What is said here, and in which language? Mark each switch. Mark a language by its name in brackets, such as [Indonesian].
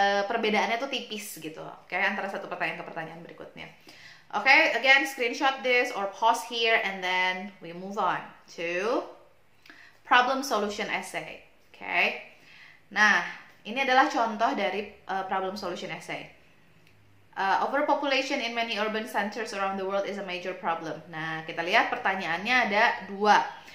[Indonesian] Perbedaannya tuh tipis gitu, oke? Okay? Antara satu pertanyaan ke pertanyaan berikutnya. [English] Oke, okay, again, screenshot this or pause here and then we move on to problem solution essay, oke? Okay? [Indonesian] Nah, ini adalah contoh dari problem solution essay. [English] Overpopulation in many urban centers around the world is a major problem. [Indonesian] Nah, kita lihat pertanyaannya ada dua.